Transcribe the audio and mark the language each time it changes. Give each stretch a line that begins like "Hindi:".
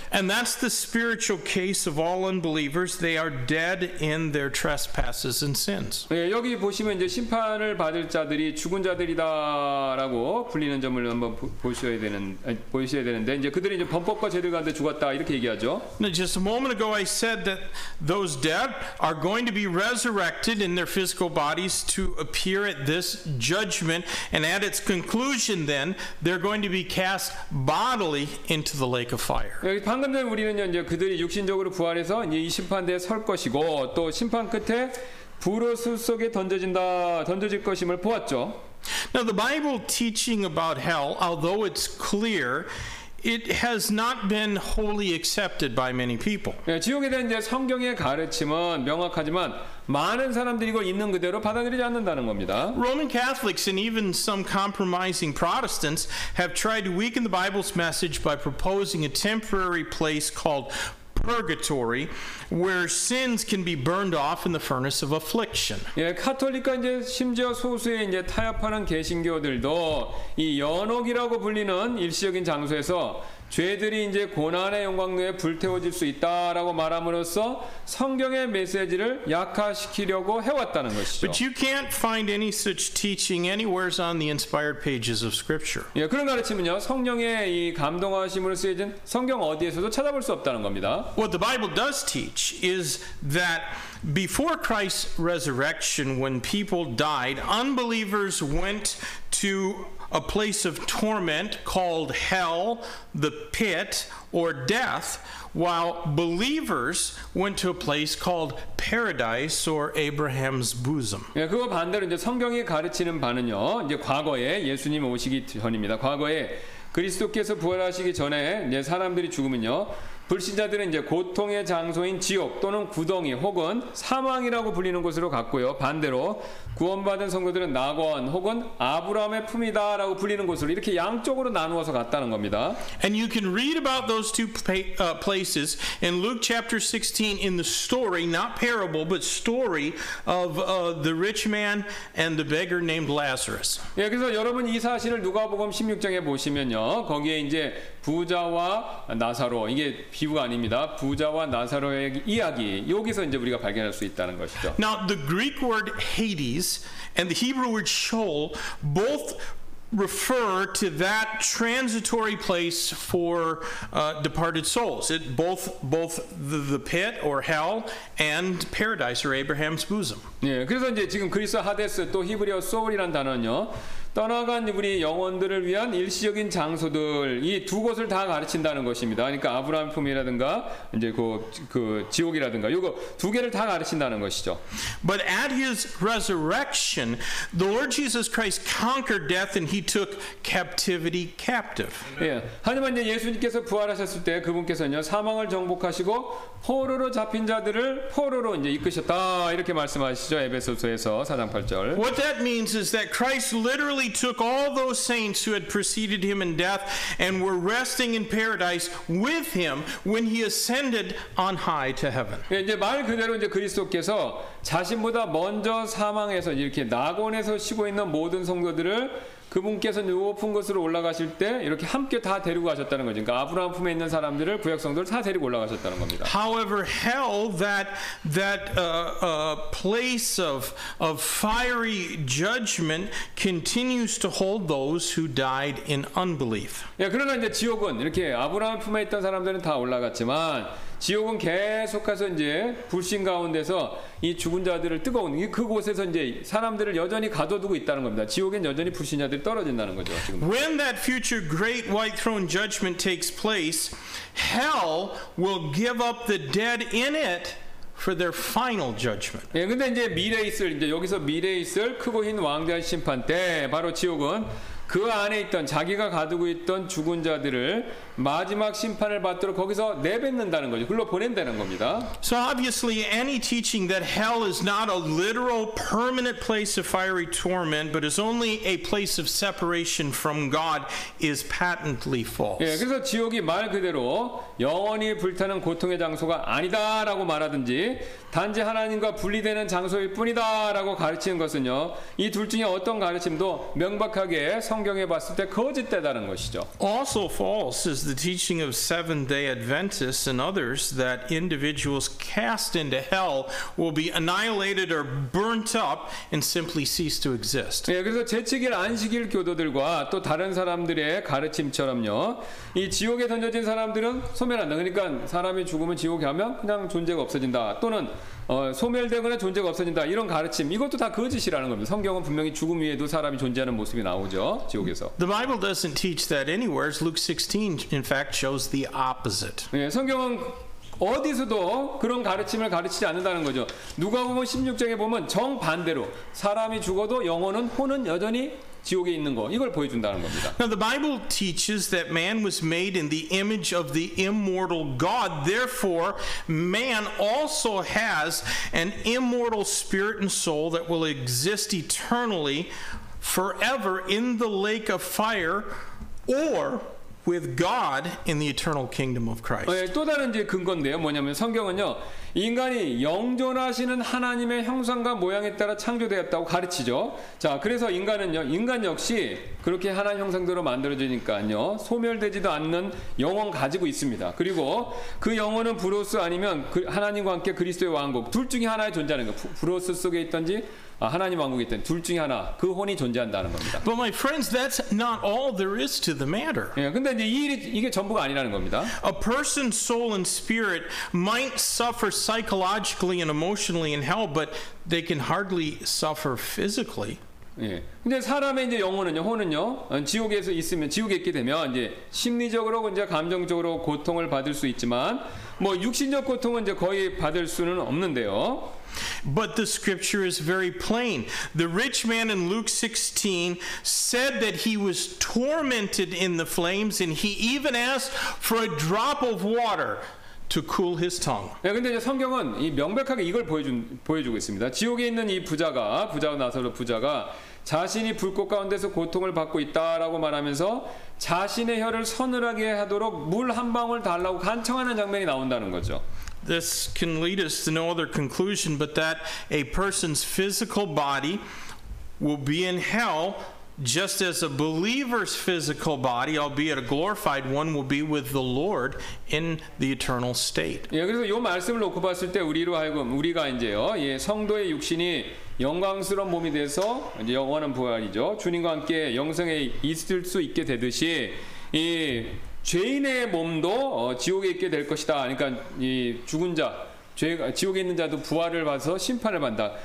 English: And that's the spiritual case of all unbelievers. They are dead in their trespasses and sins.
Korean: 예, 여기 보시면 이제 심판을 받을 자들이 죽은 자들이다라고 불리는 점을 한번 보셔야 되는데 이제 그들이 이제 범법과 죄들 가운데 죽었다 이렇게 얘기하죠.
English: Now just a moment ago I said that those dead are going to be resurrected in their physical bodies to appear at this judgment. And at its conclusion, then they're going to be cast bodily into the lake of fire.
Korean: 여기 방금 전 우리는요 이제 그들이 육신적으로 부활해서 이제 이 심판대에 설 것이고 또 심판 끝에 불의 술 속에 던져질 것임을 보았죠.
English: Now the Bible teaching about hell, although it's clear, it has not been wholly accepted by many people.
Korean: 예, 지옥에 대한 이제 성경의 가르침은 명확하지만 많은 사람들이 이걸 있는 그대로 받아들이지 않는다는 겁니다.
English: Roman Catholics and even some compromising Protestants have tried to weaken the Bible's message by proposing a temporary place called purgatory where sins can be burned off in the furnace of affliction.
Korean: 예, 카톨릭과 이제 심지어 소수의 이제 타협하는 개신교들도 이 연옥이라고 불리는 일시적인 장소에서 죄들이 이제 고난의 영광로에 불태워질 수 있다라고 말함으로써 성경의 메시지를 약화시키려고 해왔다는 것이죠.
English: But you can't find any such teaching anywhere on the inspired pages of Scripture.
Korean: 예, 그런 가르침은요 성령의 이 감동하심으로 쓰여진 성경 어디에서도 찾아볼 수 없다는 겁니다.
English: What the Bible does teach is that before Christ's resurrection, when people died, unbelievers went to a place of torment called hell, the pit, or death, while believers went to a place called paradise or Abraham's bosom.
Korean: 예, 그거 반대로 이제 성경이 가르치는 바는요, 이제 과거에 예수님 오시기 전입니다. 과거에 그리스도께서 부활하시기 전에 이제 사람들이 죽으면요. 불신자들은 이제 고통의 장소인 지옥 또는 구덩이 혹은 사망이라고 불리는 곳으로 갔고요. 반대로 구원받은 성도들은 낙원 혹은 아브라함의 품이다라고 불리는 곳으로 이렇게 양쪽으로 나누어서 갔다는 겁니다.
English: And you can read about those two places in Luke chapter 16 in the story, not parable, but story of the rich man and the beggar named Lazarus.
Korean: 예, 그래서 여러분 이 사실을 누가복음 16장에 보시면요. 거기에 이제 부자와 나사로 이게 비유가 아닙니다. 부자와 나사로의 이야기 여기서 이제 우리가 발견할 수 있다는 것이죠.
English: Now the Greek word Hades and the Hebrew word Sheol both refer to that transitory place for departed souls. It both the pit or hell and paradise or Abraham's bosom.
Korean: 예, 그래서 이제 지금 그리스 하데스 또 히브리어 소울이란 단어는요. 떠나간 우리 영혼들을 위한 일시적인 장소들 이 두 곳을 다 가르친다는 것입니다. 그러니까 아브라함 품이라든가 이제 그 지옥이라든가 이거 두 개를 다 가르친다는 것이죠.
English: But at his resurrection, the Lord Jesus Christ conquered death and he took captivity captive.
Korean: 예. 하지만 이제 예수님께서 부활하셨을 때 그분께서는요 사망을 정복하시고 포로로 잡힌 자들을 포로로 이제 이끄셨다 이렇게 말씀하시죠 에베소서에서 4장 8절.
English: What that means is that Christ literally took all those saints who had preceded him in death and were resting in paradise with him when he ascended on high to heaven.
Korean: 예, 이제 말 그대로 이제 그리스도께서 자신보다 먼저 사망해서 이렇게 낙원에서 쉬고 있는 모든 성도들을 그분께서 높은 곳으로 올라가실 때 이렇게 함께 다 데리고 가셨다는 거죠. 그러니까 아브라함 품에 있는 사람들을 구약 성도들 다 데리고 올라가셨다는 겁니다.
English: However, hell, that place of fiery judgment continues to hold those who died in unbelief.
Korean: 예, 그러나 이제 지옥은 이렇게 아브라함 품에 있던 사람들은 다 올라갔지만 지옥은 계속해서 이제 불신 가운데서 이 죽은 자들을 뜨거운 그곳에서 이제 사람들을 여전히 가둬두고 있다는 겁니다. 지옥엔 여전히 불신자들이 떨어진다는 거죠. 지금.
English: When that future great white throne judgment takes place, hell will give up the dead in it for their final judgment.
Korean: 예, 근데 이제 미래에 있을 이제 여기서 미래에 있을 크고 흰 왕좌의 심판 때 바로 지옥은 그 안에 있던 자기가 가두고 있던 죽은 자들을 마지막 심판을 받도록 거기서 내뱉는다는 거죠. 흘러보낸다는 겁니다.
English: So obviously any teaching that hell is not a literal permanent place of fiery torment but is only a place of separation from God is patently false.
Korean: 예, 그래서 지옥이 말 그대로 영원히 불타는 고통의 장소가 아니다라고 말하든지 단지 하나님과 분리되는 장소일 뿐이다라고 가르치는 것은요. 이 둘 중에 어떤 가르침도 명백하게 성경에 봤을 때 거짓되다는 것이죠.
English: Also false is the teaching of Seventh-day Adventists and others that individuals cast into hell will be annihilated or burnt up and simply cease to exist.
Korean: 예, 그래서 제칙일 안식일 교도들과 또 다른 사람들의 가르침처럼요. 이 지옥에 던져진 사람들은 소멸한다. 그러니까 사람이 죽으면 지옥에 가면 그냥 존재가 없어진다. 또는 소멸되거나 존재가 없어진다 이런 가르침 이것도 다 거짓이라는 겁니다. 성경은 분명히 죽음 위에도 사람이 존재하는 모습이 나오죠. 지옥에서.
English: The Bible doesn't teach that anywhere. Luke 16 in fact shows the opposite.
Korean: 예, 성경은 어디서도 그런 가르침을 가르치지 않는다는 거죠. 누가복음 16장에 보면 정반대로 사람이 죽어도 영혼은 혼은 여전히 지옥에 있는 거 이걸 보여준다는 겁니다.
English: Now the Bible teaches that man was made in the image of the immortal God. Therefore, man also has an immortal spirit and soul that will exist eternally, forever in the lake of fire, or with God in the eternal kingdom of Christ.
Korean: 네, 또 다른 이제 근거인데요. 뭐냐면 성경은요. 인간이 영존하시는 하나님의 형상과 모양에 따라 창조되었다고 가르치죠. 자, 그래서 인간은요. 인간 역시 그렇게 하나님 형상대로 만들어지니까요. 소멸되지도 않는 영혼 가지고 있습니다. 그리고 그 영혼은 브로스 아니면 그 하나님과 함께 그리스도의 왕국 둘 중에 하나에 존재하는 거. 브로스 속에 있던지 아, 하나님 왕국에 있던 둘 중에 하나 그 혼이 존재한다는 겁니다.
English: But my friends, that's not all there is to the matter.
Korean: 예, 근데 이제 이 일이 이게 전부가 아니라는 겁니다.
English: A person's soul and spirit might suffer psychologically and emotionally in hell, but they can hardly suffer physically.
Korean: 예, 근데 사람의 이제 영혼은요, 혼은요, 지옥에서 있으면 지옥에 있게 되면 이제 심리적으로 이제 감정적으로 고통을 받을 수 있지만 뭐 육신적 고통은 이제 거의 받을 수는 없는데요.
English: But the scripture is very plain. The rich man in Luke 16 said that he was tormented in the flames, and he even asked for a drop of water to cool his tongue.
Korean: 네, 근데 이제 성경은 이 명백하게 이걸 보여주고 있습니다. 지옥에 있는 이 부자가 부자 나사로 부자가 자신이 불꽃 가운데서 고통을 받고 있다라고 말하면서 자신의 혀를 서늘하게 하도록 물 한 방울 달라고 간청하는 장면이 나온다는 거죠.
English: This can lead us to no other conclusion but that a person's physical body will be in hell just as a believer's physical body, albeit a glorified one, will be with the Lord in the eternal state.
Korean: 예, 그래서 요 말씀을 놓고 봤을 때 우리로 하여금 우리가 이제요, 예, 성도의 육신이 영광스러운 몸이 돼서 이제 영원한 부활이죠. 주님과 함께 영생에 있을 수 있게 되듯이 이 죄인의 몸도 지옥에 있게 될 것이다. 그러니까 이 죽은 자, 죄 지옥에 있는 자도 부활을 받아서 심판을 받다.